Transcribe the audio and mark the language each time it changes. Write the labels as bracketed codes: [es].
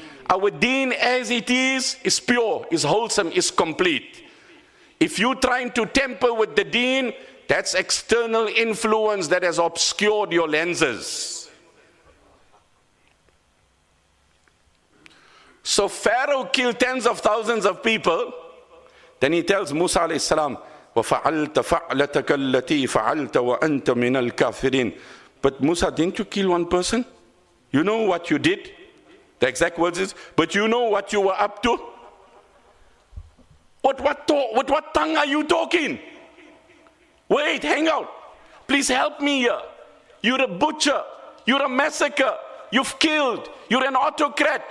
[en] Our deen as it is pure, is wholesome, is complete. If you're trying to tamper with the deen, that's external influence that has obscured your lenses. So Pharaoh killed tens of thousands of people. Then he tells [ar] Musa alayhi salam, وَفَعَلْتَ فَعْلَتَكَ الَّتِي فَعَلْتَ وَأَنْتَ مِنَ الْكَافِرِينَ. [en] But Musa, didn't you kill one person? You know what you did? The exact words is, but you know what you were up to? What tongue are you talking? Wait, hang out. Please help me here. You're a butcher. You're a massacre. You've killed. You're an autocrat.